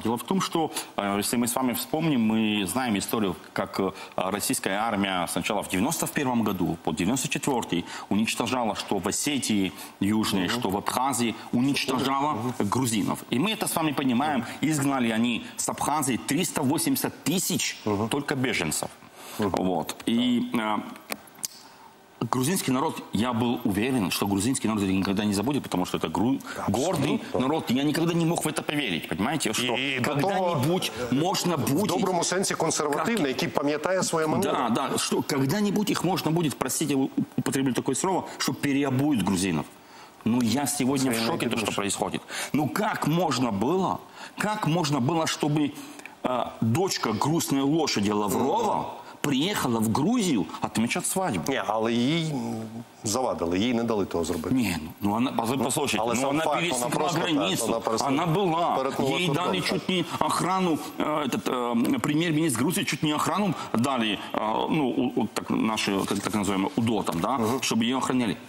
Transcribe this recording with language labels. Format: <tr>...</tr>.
<uk>Діло в тому, що, якщо ми з вами вспомнимо, ми знаємо історію, як російська армія спочатку в 91-му році, по 94-й, уничтожала, що в Осетії Южній, що в Абхазії, уничтожала грузинов. І ми це з вами розуміємо, ізгнали вони з Абхазії 380 тисяч тільки біженців.</uk> <ru>Вот. І грузинский народ, я был уверен, что грузинский народ никогда не забудет, потому что это гордый народ. Я никогда не мог в это поверить, понимаете, что когда-нибудь можно будет... В добром смысле консервативный, который памятает свое минуло. Да, что когда-нибудь их можно будет, простите, употреблю такое слово, что переобуют грузинов. Ну, я сегодня в шоке, то, что происходит. Ну, как можно было, чтобы дочка грустной лошади Лаврова</ru> <uk>приїхала в Грузію відмічати свадьбу. Ні, але їй завадили, їй не дали того зробити. Ні, ну вона, послухайте, але вона пересікла границю, вона була. Їй дали чуть не охрану, прем'єр-міністр Грузії чуть не охрану дали, ну, так, наші, так називаємо, УДО там, да, щоб її охраняли.</uk>